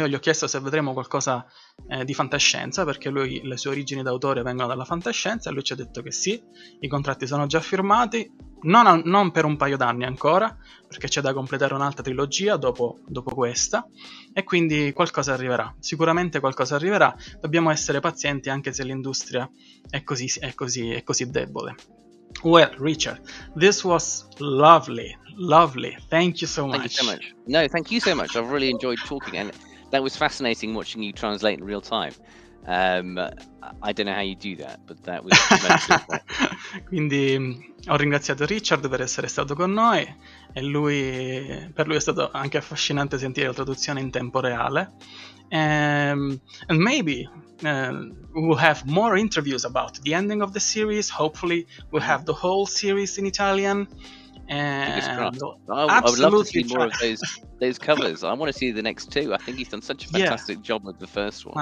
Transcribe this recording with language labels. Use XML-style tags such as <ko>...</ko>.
<it>Io gli ho chiesto se vedremo qualcosa di fantascienza, perché lui le sue origini d'autore vengono dalla fantascienza, e lui ci ha detto che sì, i contratti sono già firmati, non per un paio d'anni ancora, perché c'è da completare un'altra trilogia dopo questa, e quindi qualcosa arriverà, sicuramente qualcosa arriverà. Dobbiamo essere pazienti anche se l'industria è così debole.</it> <en>Well, Richard, this was lovely, thank you so much. Thank you so much. No, thank you so much. I've really enjoyed talking, and that was fascinating watching you translate in real time. I don't know how you do that, but that was</en> <it>quindi ho ringraziato Richard per essere stato con noi, e lui per lui è stato anche affascinante sentire la traduzione in tempo reale.</it> <en>And maybe we'll have more interviews about the ending of the series. Hopefully we'll have the whole series in Italian. And I would love to see more of those covers. I want to see the next two. I think he's done such a fantastic job with the first one.</en>